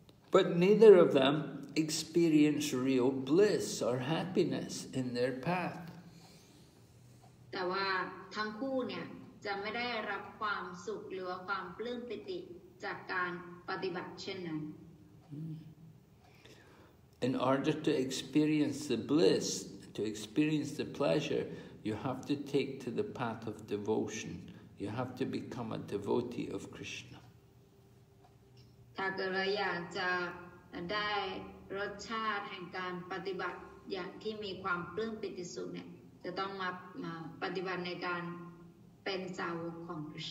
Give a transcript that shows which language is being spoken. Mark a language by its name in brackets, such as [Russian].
[English] But neither of them experience real bliss or happiness in their path. [Thai] แต่ว่าทั้งคู่เนี่ยจะไม่ได้รับความสุขหรือความปลื้มปิติจากการปฏิบัติเช่นนั้น [English] In order to experience the bliss, to experience the pleasure, you have to take to the path of devotion. You have to become a devotee of Krishna. [Thai] ถ้าเกิดอยากจะได้รสชาติแห่งการปฏิบัติอย่างที่มีความปลื้มปิติสุขเนี่ยจะต้องมาปฏิบัติในการเป็นสาวกของคริส